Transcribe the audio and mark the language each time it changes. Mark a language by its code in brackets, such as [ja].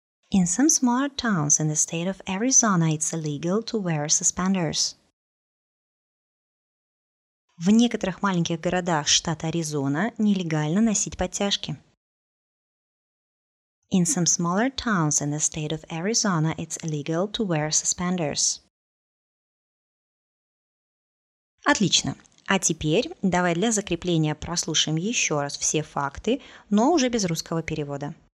[en] In some smaller towns in the state of Arizona, it's illegal to wear suspenders. [ru] В некоторых маленьких городах штата Аризона нелегально носить подтяжки. [en] In some smaller towns in the state of Arizona, it's illegal to wear suspenders. [ru] Отлично. А теперь давай для закрепления прослушаем еще раз все факты, но уже без русского перевода.